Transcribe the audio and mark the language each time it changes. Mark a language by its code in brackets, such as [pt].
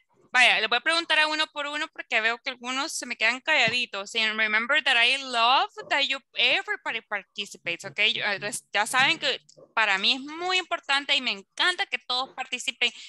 [es] Vaya, le voy a preguntar a uno por uno porque veo que algunos se me quedan calladitos. [en] And remember that I love that you everybody participates, okay? [es] Ya saben que para mí es muy importante y me encanta que todos participen.